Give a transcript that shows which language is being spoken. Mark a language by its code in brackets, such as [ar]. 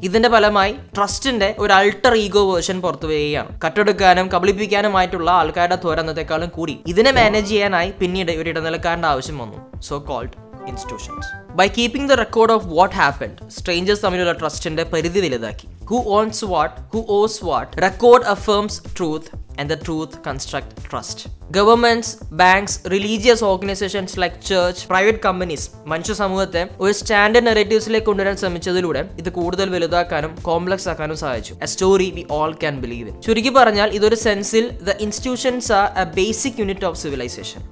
[ml] ഇതിന്റെ ഫലമായി ട്രസ്റ്റിന്റെ ഒരു അൾട്ടർ ഈഗോ വേർഷൻ പുറത്തുവരികയാണ്. കട്ടെടുക്കാനും കബളിപ്പിക്കാനുമായിട്ടുള്ള ആൾക്കാരുടെ ത്വര അന്നത്തെക്കാളും കൂടി. ഇതിനെ മാനേജ് ചെയ്യാനായി പിന്നീട് ഒരു ഇടനിലക്കാരന്റെ ആവശ്യം വന്നു. [en] So called institutions. By keeping the record of what happened, strangers [ml] തമ്മിലുള്ള ട്രസ്റ്റിന്റെ പരിധി വലുതാക്കി. [en] Who owns what? Who owes what? Record affirms truth and the truth constructs trust. Governments, banks, religious organizations like church, private companies, [ml] മനുഷ്യസമൂഹത്തെ ഒരു standard നറേറ്റീവ്സിലേക്ക് കൊണ്ടുവരാൻ ശ്രമിച്ചതിലൂടെ ഇത് കൂടുതൽ വലുതാക്കാനും complex ആക്കാനും സാധിച്ചു. [en] A story we all can believe in. [ml] ചുരുക്കി പറഞ്ഞാൽ ഇതൊരു സെൻസിൽ [en] The institutions are a basic unit of civilization.